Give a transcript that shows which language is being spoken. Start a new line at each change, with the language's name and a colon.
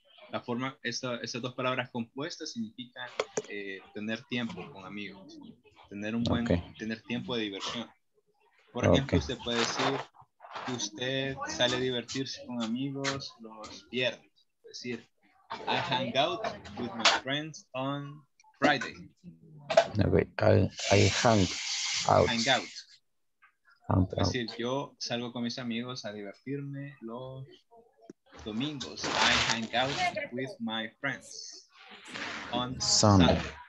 Spanish: La forma, estas dos palabras compuestas significan tener tiempo con amigos. Tener un buen, tener tiempo de diversión. Por ejemplo, usted puede decir que usted sale a divertirse con amigos los viernes. Decir,
English: I hang out with my friends on Friday. No, wait, I hang out. Hang out.
Spanish: Es decir, yo salgo con mis amigos a divertirme los domingos.
English: I hang out with my friends on Sunday.